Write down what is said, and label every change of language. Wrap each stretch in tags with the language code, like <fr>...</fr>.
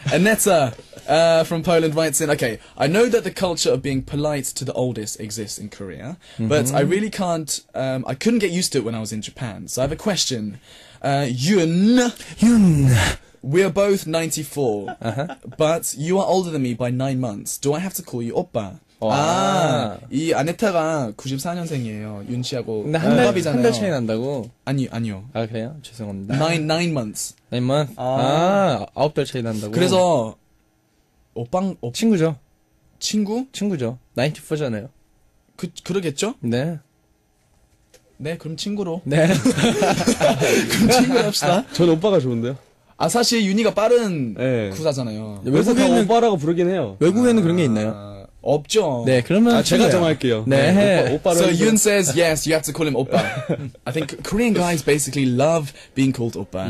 <en>Aneta from Poland writes in, okay, I know that the culture of being polite to the oldest exists in Korea, but I really can't, I couldn't get used to it when I was in Japan. So I have a question. Yun. We are both 94, but you are older than me by 9 months. Do I have to call you oppa?</en> <ko>아, 이 아네타가 94년생이에요. 윤 씨하고 한 달 차이 난다고? 아니요. 아, 그래요? 죄송합니다.</ko> <en>Nine months. 9 months?</en> <ko>아, 9 달 차이 난다고? 그래서 오빵 친구죠. 친구? 친구죠. 94잖아요. 그러겠죠? 네. 네, 그럼 친구로. 네. 그럼 친구로 합시다. 전 오빠가 좋은데요? 아, 사실 윤이가 빠른 구사잖아요. 외국에는 오빠라고 부르긴 해요. 외국에는 그런 게 있나요? 없죠. 네, 그러면 아, 제가 정할게요. 네. 네. 오빠,</ko> <en>so Yun says yes, you have to call him 오빠. I think Korean guys basically love being called 오빠.</en>